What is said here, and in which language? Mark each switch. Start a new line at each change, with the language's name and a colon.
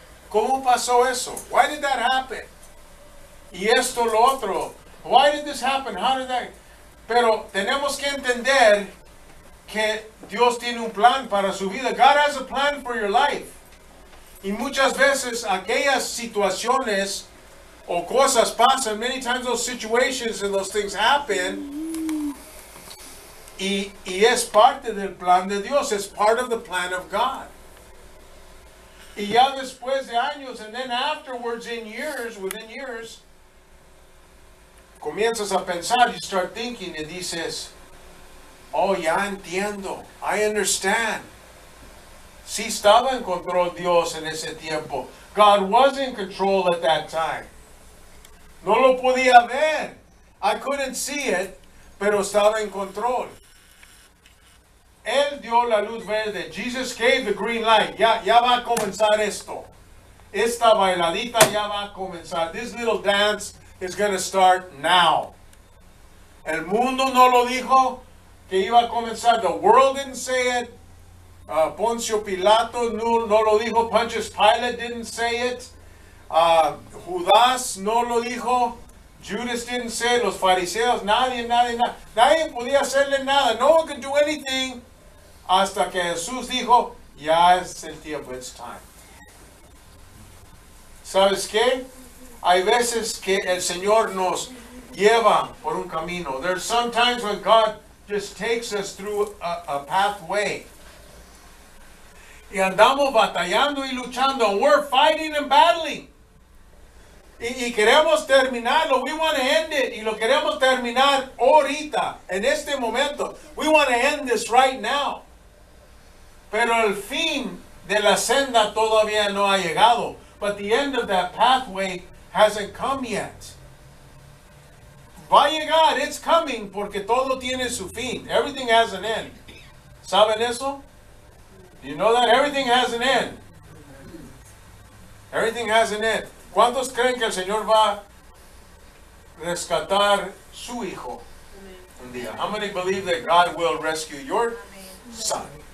Spanish: ¿Cómo pasó eso?
English: Why did that happen?
Spanish: Y esto lo otro.
English: Why did this happen? How did that?
Spanish: Pero tenemos que entender que Dios tiene un plan para su vida.
English: God has a plan for your life.
Spanish: Y muchas veces aquellas situaciones o cosas pasan.
English: Many times those situations and those things happen.
Spanish: Y es parte del plan de Dios.
English: It's part of the plan of God.
Spanish: Y ya después de años,
English: and then afterwards, in years, within years,
Spanish: comienzas a pensar,
English: you start thinking, and
Spanish: dices, oh, ya entiendo,
English: I understand.
Spanish: Sí estaba en control Dios en ese tiempo.
English: God was in control at that time.
Spanish: No lo podía ver.
English: I couldn't see it,
Spanish: pero estaba en control. Él dio la luz verde.
English: Jesus gave the green light.
Spanish: Ya va a comenzar esto. Esta bailadita ya va a comenzar.
English: This little dance is going to start now.
Spanish: El mundo no lo dijo que iba a comenzar.
English: The world didn't say it.
Spanish: Poncio Pilato no lo dijo.
English: Pontius Pilate didn't say it.
Spanish: Judas no lo dijo.
English: Judas didn't say it.
Spanish: Los fariseos, nadie podía hacerle nada.
English: No one could do anything.
Spanish: Hasta que Jesús dijo, ya es el tiempo,
English: it's time.
Spanish: ¿Sabes qué? Hay veces que el Señor nos lleva por un camino.
English: There's sometimes when God just takes us through a pathway.
Spanish: Y andamos batallando y luchando.
English: We're fighting and battling.
Spanish: Y queremos terminarlo.
English: We want to end it.
Spanish: Y lo queremos terminar ahorita, en este momento.
English: We want to end this right now.
Spanish: Pero el fin de la senda todavía no ha llegado.
English: But the end of that pathway hasn't come yet.
Spanish: Va a llegar.
English: It's coming
Spanish: porque todo tiene su fin.
English: Everything has an end.
Spanish: ¿Saben eso?
English: You know that everything has an end. Everything has an end.
Spanish: ¿Cuántos creen que el Señor va a rescatar su hijo un día?
English: How many believe that God will rescue your son?